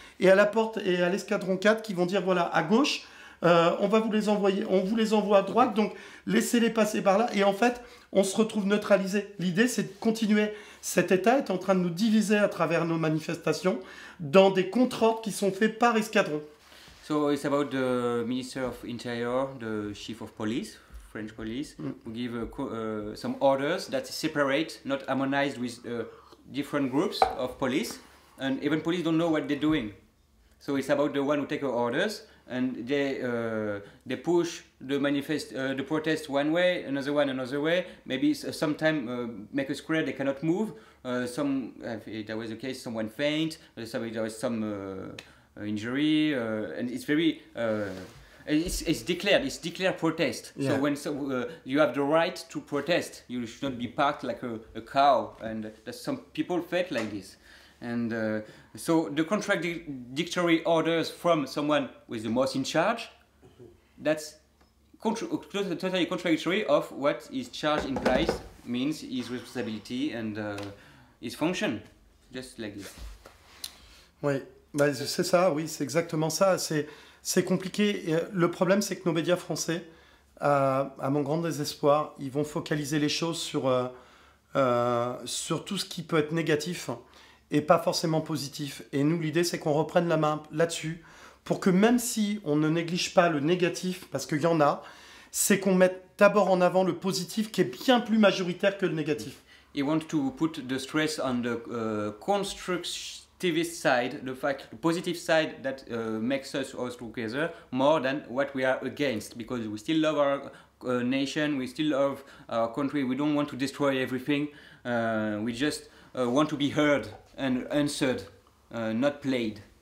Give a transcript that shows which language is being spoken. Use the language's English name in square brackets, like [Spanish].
[French] Et à la porte et à l'escadron 4 qui vont dire « Voilà, à gauche, on vous les envoie à droite, donc laissez-les passer par là. » Et en fait, on se retrouve neutralisé. L'idée, c'est de continuer. Cet État est en train de nous diviser à travers nos manifestations dans des contre-ordres qui sont faits par escadron. [English] So it's about the Minister of Interior, the Chief of Police, French Police, who give some orders that separate, not harmonized with different groups of police. And even police don't know what they're doing. So it's about the one who take orders. And they push the protest one way, another one, another way. Maybe sometimes make a square, they cannot move. There was a case, someone faint, there was some injury. And it's very, it's declared protest. Yeah. So when you have the right to protest, you should not be parked like a cow. And some people felt like this. And so the contradictory orders from someone who is the most in charge, that's totally contradictory of what his charge implies means his responsibility and his function, just like this. [French] Oui, bah, c'est ça, oui, c'est exactement ça. C'est compliqué. Et le problème, c'est que nos médias français, à mon grand désespoir, ils vont focaliser les choses sur tout ce qui peut être négatif et pas forcément positif. Et nous, l'idée, c'est qu'on reprenne la main là-dessus pour que même si on ne néglige pas le négatif, parce qu'il y en a, c'est qu'on mette d'abord en avant le positif qui est bien plus majoritaire que le négatif. [English] Ils want to put the stress on the constructivist side, the fact, the positive side that makes us all together more than what we are against, because we still love our nation, we still love our country, we don't want to destroy everything, we just want to be heard and answered, not played.